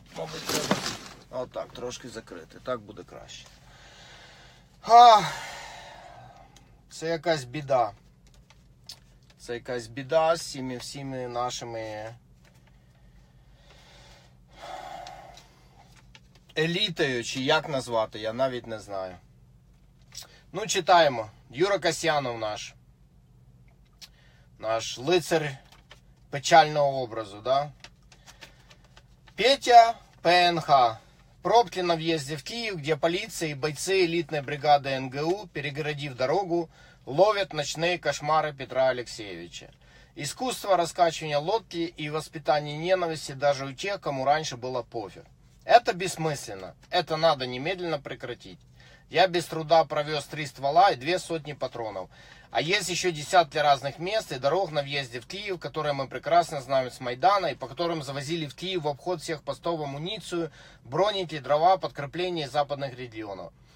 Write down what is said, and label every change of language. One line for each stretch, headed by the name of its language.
Ukrainian: Мабуть, треба отак трошки закрити. Так буде краще. Ха! Це якась біда. Це якась біда з всіми нашими елітою, чи як назвати, я навіть не знаю. Ну, читаємо. Юра Касьянов наш лицар печального образу, да? Петя ПНХ. Пробки на в'їзді в Київ, де поліція і бійці елітної бригади НГУ, перегородив дорогу, ловять ночні кошмари Петра Алексеєвича. Іскусство розкачування лодки і воспитання ненависті даже у тих, кому раніше було пофіг.
Russian: Это бессмысленно. Это надо немедленно прекратить. Я без труда провез 3 ствола и 2 сотни патронов. А есть еще десятки разных мест и дорог на въезде в Киев, которые мы прекрасно знаем с Майдана, и по которым завозили в Киев в обход всех постов амуницию, броники, дрова, подкрепления из западных регионов.